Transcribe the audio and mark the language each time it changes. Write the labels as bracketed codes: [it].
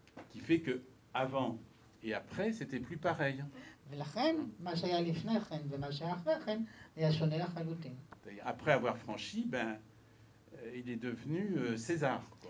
[fr] Qui fait que avant et après, c'était plus pareil. [he] ולכן, מה שהיה לפני כן ומה שהיה אחרי כן, היה שונה לחלוטין. [fr] Après avoir franchi, ben, il est devenu César.